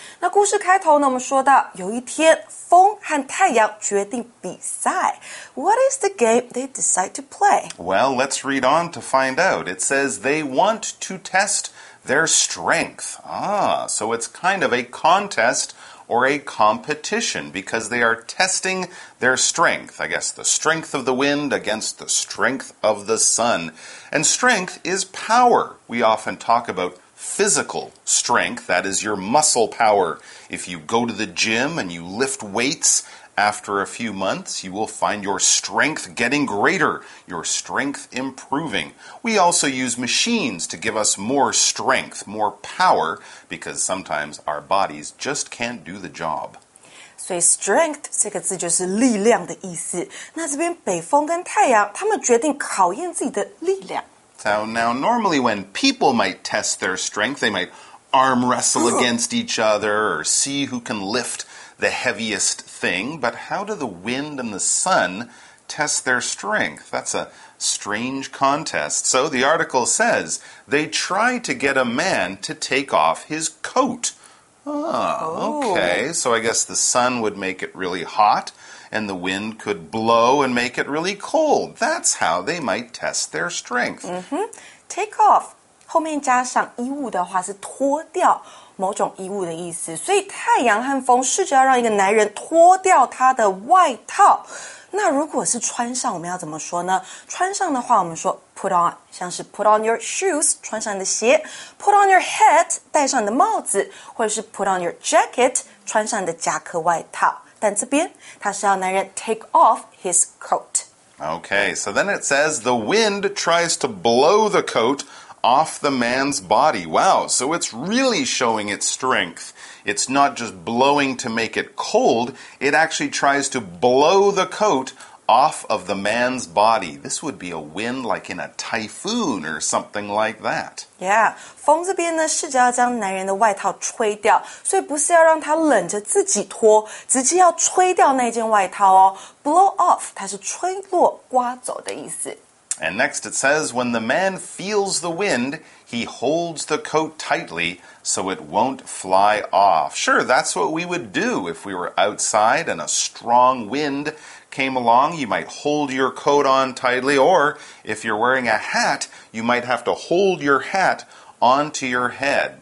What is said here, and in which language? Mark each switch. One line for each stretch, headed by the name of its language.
Chinese: 那故事开头呢，我们说到有一天风和太阳决定比赛。
English: What is the game they decide to play? Well, let's read on to find out. It says they want to test. Their strength. So it's kind of a contest or a competition because they are testing their strength. I guess the strength of the wind against the strength of the sun. And strength is power. We often talk about physical strength, that is your muscle power. If you go to the gym and you lift weights after a few months, you will find your strength getting greater, your strength improving. We also use machines to give us more strength, more power, because sometimes our bodies just can't do the job. So
Chinese: strength, 这个字就是力量的意思。那这边北风跟太阳，他们决定考验自己的力量。
English: So now, normally when people might test their strength, they might arm wrestle against each other or see who can lift the heaviest thing. But how do the wind and the sun test their strength? That's a strange contest. So the article says, they try to get a man to take off his coat. Okay, so I guess the sun would make it really hot. And the wind could blow and make it really cold. That's how they might test their strength. Mm-hmm. Take off.
Chinese: 后面加上衣物的话是脱掉某种衣物的意思。所以太阳和风试着要让一个男人脱掉他的外套。那如果是穿上我们要怎么说呢？穿上的话我们说
English: put on,
Chinese: 像是
English: put on your shoes,
Chinese: 穿上你的鞋
English: put on your hat,
Chinese: 戴上你的帽子或者是
English: put on your jacket,
Chinese: 穿上你的夹克外套。但这边他是要男人
English: take off his coat. Okay, so then it says the wind tries to blow the coat off the man's body. Wow, so it's really showing its strength. It's not just blowing to make it cold. It actually tries to blow the coat off of the man's body. This would be a wind like in a typhoon or something like that. Yeah,
Chinese: 风这边呢是就要将男人的外套吹掉，所以不是要让他冷着自己脱，直接要吹掉那件外套哦。 Blow off, 它是吹落、刮走的意思。
English: And next it says, when the man feels the wind, he holds the coat tightly so it won't fly off. Sure, that's what we would do if we were outside and a strong wind came along. You might hold your coat on tightly, or if you're wearing a hat, you might have to hold your hat onto your head.